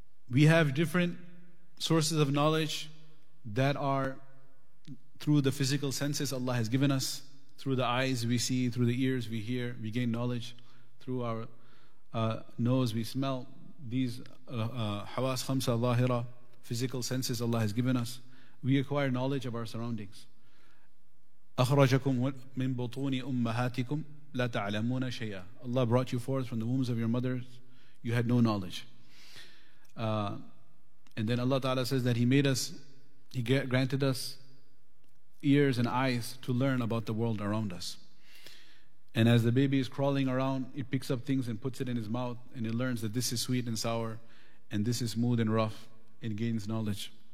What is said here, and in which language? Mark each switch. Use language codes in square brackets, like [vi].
[en] We have different sources of knowledge that are through the physical senses Allah has given us. Through the eyes we see, through the ears we hear, we gain knowledge. Through our nose we smell. These [ar] hawas khamsa zahira, [en] physical senses Allah has given us. We acquire knowledge of our surroundings. [ar] أخرجكم من بطون أمهاتكم لا تعلمون شيئا. [en] Allah brought you forth from the wombs of your mothers, you had no knowledge. And then Allah Ta'ala says that He granted us ears and eyes to learn about the world around us. And as the baby is crawling around, it picks up things and puts it in his mouth, and it learns that this is sweet and sour, and this is smooth and rough, and gains knowledge.